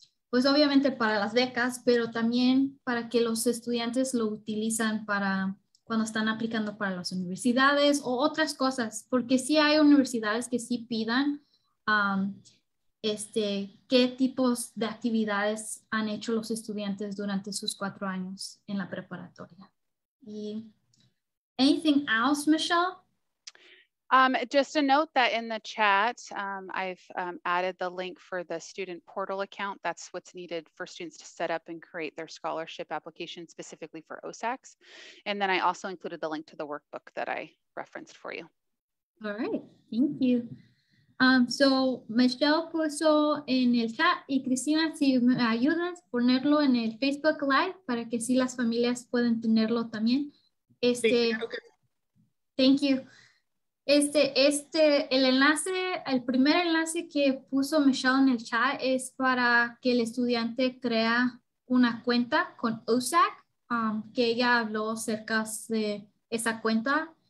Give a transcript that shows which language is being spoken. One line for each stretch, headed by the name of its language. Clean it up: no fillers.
Spanish: pues obviamente para las becas, pero también para que los estudiantes lo utilizan para cuando están aplicando para las universidades o otras cosas, porque sí hay universidades que sí pidan qué tipos de actividades han hecho los estudiantes durante sus 4 años en la preparatoria.
English: Y, anything else, Michelle? Just a note that in the chat, I've added the link for the student portal account. That's what's needed for students to set up and create their scholarship application specifically for OSACs. And then I also included the link to the workbook that I referenced for you. All right, thank you.
Spanish: So Michelle puso en el chat y Cristina, si me ayudas ponerlo en el Facebook Live para que sí las familias puedan tenerlo también. Thank you. El enlace, el primer enlace que puso Michelle en el chat es para que el estudiante crea una cuenta con OSAC, que ella habló acerca de esa cuenta.